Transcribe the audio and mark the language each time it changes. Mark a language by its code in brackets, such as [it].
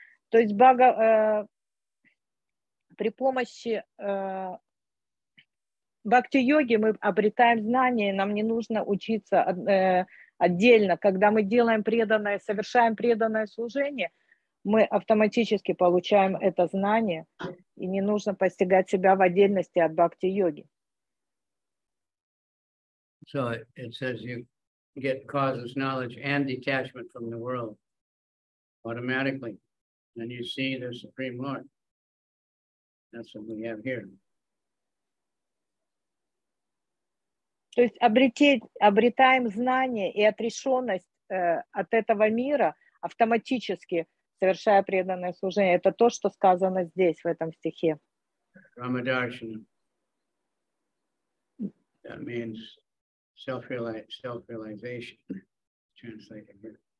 [ru] То есть бхага, при помощи бхакти-йоги мы обретаем знание, нам не нужно учиться отдельно. Когда мы делаем преданное, совершаем преданное служение, мы автоматически получаем это знание, и не нужно постигать себя в отдельности от бхакти-йоги. [en] So it says you get causeless knowledge and detachment from the world automatically. And you see the Supreme Lord. That's what we have here. [ru] То есть обретаем знание и отрешенность от этого мира автоматически, совершая преданное служение. Это то, что сказано здесь, в этом стихе. [sa] Рамадаршина. [en] That means self-realization, translated here.